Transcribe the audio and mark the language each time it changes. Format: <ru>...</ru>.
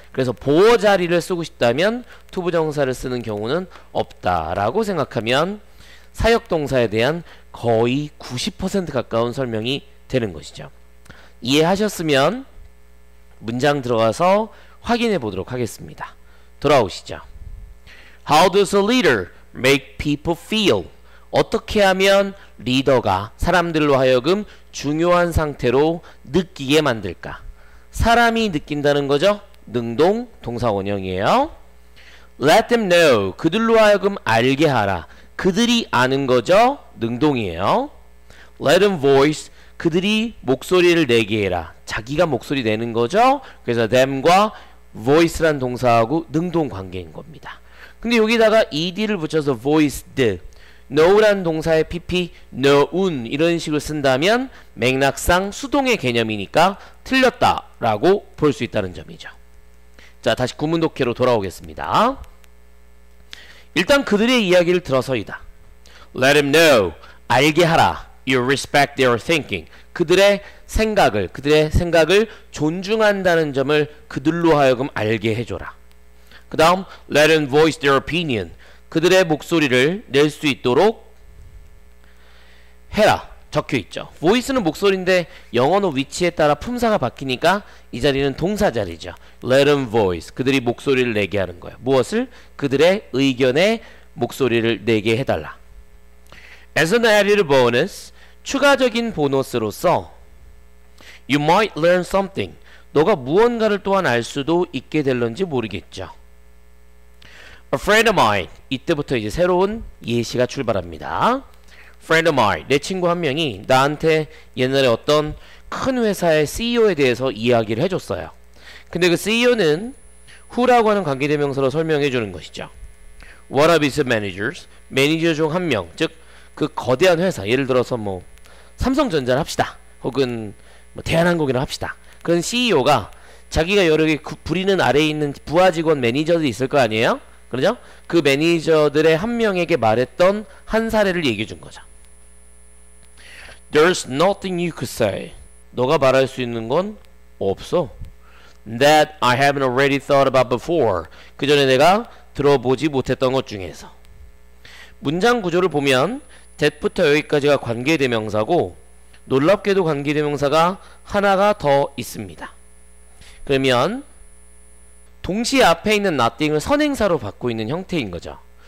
<ko>그래서 보어 자리를 쓰고 싶다면 투부 정사를 쓰는 경우는 없다라고 생각하면 사역 동사에 대한 거의 90% 가까운 설명이 되는 것이죠. 이해하셨으면 문장 들어가서 확인해 보도록 하겠습니다. 돌아오시죠.</ko> <en>How does a leader make people feel?</en> <ko>어떻게 하면 리더가 사람들로 하여금 중요한 상태로 느끼게 만들까? 사람이 느낀다는 거죠. 능동 동사 원형이에요.</ko> <en>Let them know.</en> <ko>그들로 하여금 알게 하라. 그들이 아는 거죠? 능동이에요.</ko> <en>Let them voice.</en> <ko>그들이 목소리를 내게 해라. 자기가 목소리 내는 거죠? 그래서 them과 voice란 동사하고 능동 관계인 겁니다. 근데 여기다가 ed를 붙여서 voiced. no란 동사의 PP, noun 이런 식으로 쓴다면 맥락상 수동의 개념이니까 틀렸다라고 볼 수 있다는 점이죠. 자, 다시 구문 독해로 돌아오겠습니다. 일단 그들의 이야기를 들어서이다.</ko> <en>Let him know.</en> <ko>알게 하라.</ko> <en>You respect their thinking.</en> <ko>그들의 생각을 존중한다는 점을 그들로 하여금 알게 해줘라. 그 다음,</ko> <en>let them voice their opinion.</en> <ko>그들의 목소리를 낼 수 있도록 해라. 적혀있죠. voice는 목소리인데 영어로 위치에 따라 품사가 바뀌니까 이 자리는 동사 자리죠.</ko> <en>let them voice.</en> <ko>그들이 목소리를 내게 하는 거예요. 무엇을? 그들의 의견에 목소리를 내게 해달라.</ko> <en>As an added bonus,</en> <ko>추가적인 보너스로서</ko> <en>You might learn something.</en> <ko>너가 무언가를 또한 알 수도 있게 될런지 모르겠죠.</ko> <en>A friend of mine.</en> <ko>이때부터 이제 새로운 예시가 출발합니다.</ko> <en>Friend of mine.</en> <ko>내 친구 한 명이 나한테 옛날에 어떤 큰 회사의 CEO에 대해서 이야기를 해줬어요. 근데 그 CEO는 who라고 하는 관계대명사로 설명해주는 것이죠.</ko> <en>One of his managers.</en> <ko>매니저 중 한 명. 즉 그 거대한 회사, 예를 들어서 뭐 삼성전자를 합시다. 혹은 뭐 대한항공이라 합시다. 그런 CEO가 자기가 여러 개 부리는 아래에 있는 부하 직원 매니저들이 있을 거 아니에요? 그렇죠? 그 매니저들의 한 명에게 말했던 한 사례를 얘기해 준 거죠.</ko> <en>There's nothing you could say.</en> <ko>너가 말할 수 있는 건 없어.</ko> <en>That I haven't already thought about before.</en> <ko>그 전에 내가 들어보지 못했던 것 중에서. 문장 구조를 보면 that부터 여기까지가 관계대명사고 놀랍게도 관계대명사가 하나가 더 있습니다. 그러면 동시 앞에 있는 nothing을 선행사로 받고 있는 형태인 거죠.</ko>